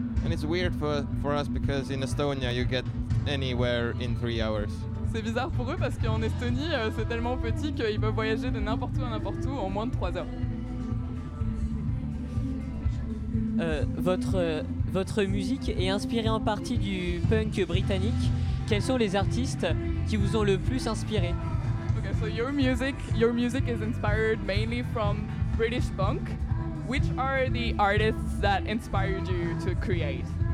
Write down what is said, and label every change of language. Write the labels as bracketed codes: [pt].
[en] And it's weird for us because in Estonia you get anywhere in 3 hours. [fr] C'est bizarre pour eux parce qu'en Estonie c'est tellement petit qu'ils peuvent voyager de n'importe où à n'importe où en moins de 3 heures. Votre musique est inspirée en partie du punk britannique. Quels sont les artistes qui vous ont le plus inspiré? [en] Okay, so your music is inspired mainly from British punk. Which are the artists that inspired you to create?